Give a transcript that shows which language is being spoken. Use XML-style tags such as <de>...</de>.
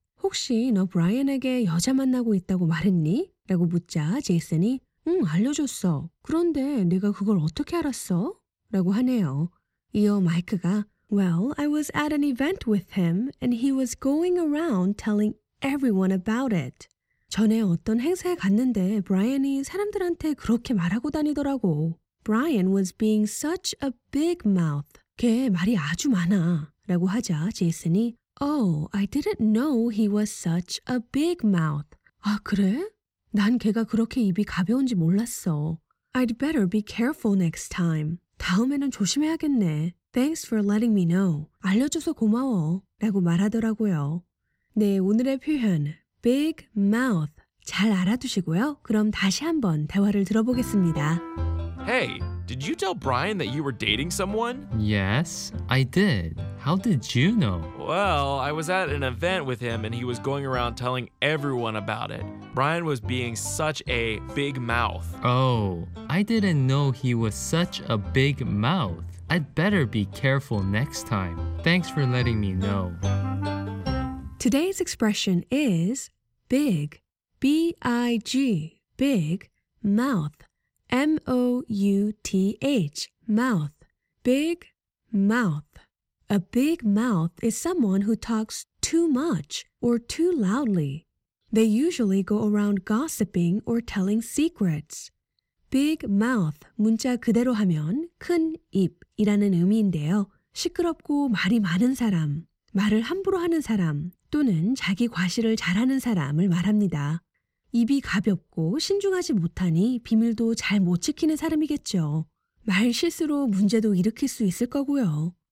<ko>혹시 너 브라이언에게 여자 만나고 있다고 말했니? 라고 묻자 제이슨이 응, 알려줬어. 그런데 내가 그걸 어떻게 알았어? 라고 하네요. 이어 마이크가</ko> <en>Well, I was at an event with him and he was going around telling everyone about it.</en> <ko>전에 어떤 행사에 갔는데 브라이언이 사람들한테 그렇게 말하고 다니더라고.</ko> <en>Brian was being such a big mouth.</en> <ko>걔 말이 아주 많아. 라고 하자 제이슨이</ko> <en>Oh, I didn't know he was such a big mouth.</en> <ko>아, 그래? 난 걔가 그렇게 입이 가벼운지 몰랐어.</ko> <en>I'd better be careful next time.</en> <ko>다음에는 조심해야겠네.</ko> <en>Thanks for letting me know.</en> <ko>알려줘서 고마워. 라고 말하더라고요. 네, 오늘의 표현. Big mouth. 잘 알아두시고요. 그럼 다시 한번 대화를 들어보겠습니다.</ko> <en>Hey, Did you tell Brian that you were dating someone? Yes, I did. How did you know? Well, I was at an event with him and he was going around telling everyone about it. Brian was being such a big mouth. Oh, I didn't know he was such a big mouth. I'd better be careful next time. Thanks for letting me know. Today's expression is big. B-I-G, big mouth. M-O-U-T-H, mouth. Big mouth. A big mouth is someone who talks too much or too loudly. They usually go around gossiping or telling secrets.</en> <ko>Big mouth, 문자 그대로 하면 큰 입이라는 의미인데요. 시끄럽고 말이 많은 사람, 말을 함부로 하는 사람 또는 자기 과시를 잘하는 사람을 말합니다. 입이 가볍고 신중하지 못하니 비밀도 잘 못 지키는 사람이겠죠. 말 실수로 문제도 일으킬 수 있을 거고요.</ko>